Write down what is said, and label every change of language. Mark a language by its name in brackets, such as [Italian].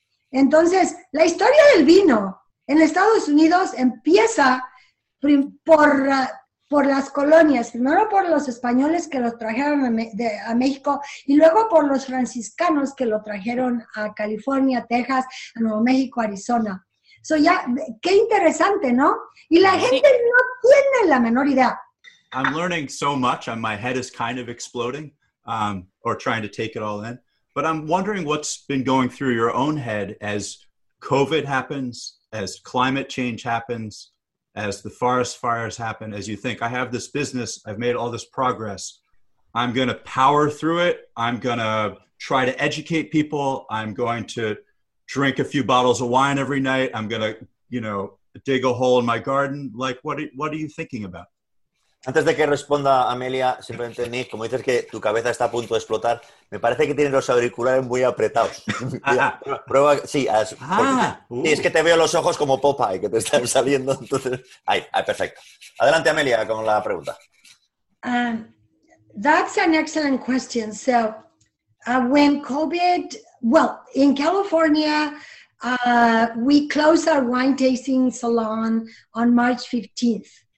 [Spanish] Entonces, la historia del vino en Estados Unidos empieza por las colonias, primero por los españoles que lo trajeron a México y luego por los franciscanos que lo trajeron a California, Texas, a Nuevo México, Arizona. So ya, qué interesante, ¿no? Y la gente no tiene la menor idea. [English] I'm learning so much, and my head is kind of exploding, or trying to take it all in. But I'm wondering what's been going through your own head as COVID happens, as climate change happens, as the forest fires happen, as you think, I have this business, I've made all this progress, I'm going to power through it, I'm going to try to educate people, I'm going to drink a few bottles of wine every night, I'm going to, you know, dig a hole in my garden. Like, what are you thinking about? [Spanish] Antes de que responda Amelia, simplemente Nick, como dices que tu cabeza está a punto de explotar, me parece que tienes los auriculares muy apretados. Prueba, sí, sí, es que te veo los ojos como Popeye, que te están saliendo. Entonces, ahí, perfecto. Adelante, Amelia, con la pregunta. [English] That's an excellent question. So, when COVID, well, in California, we closed our wine tasting salon on March 15th.